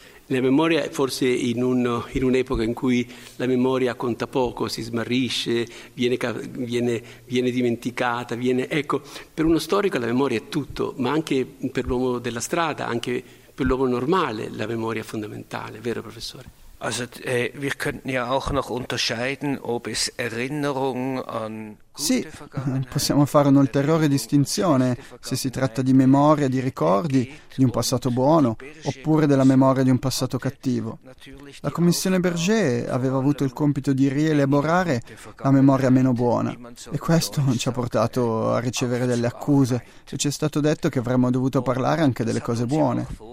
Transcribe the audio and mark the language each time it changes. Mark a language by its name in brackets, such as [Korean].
[Italian] La memoria, forse in un'epoca in cui la memoria conta poco, si smarrisce, viene dimenticata, ecco, per uno storico la memoria è tutto, ma anche per l'uomo della strada, anche per l'uomo normale, la memoria è fondamentale, vero professore? [German] Wir könnten ja auch noch unterscheiden, ob es Erinnerung an. [Italian] Sì, possiamo fare un'ulteriore distinzione se si tratta di memoria, di ricordi, di un passato buono oppure della memoria di un passato cattivo. La Commissione Berger aveva avuto il compito di rielaborare la memoria meno buona e questo ci ha portato a ricevere delle accuse e ci è stato detto che avremmo dovuto parlare anche delle cose buone.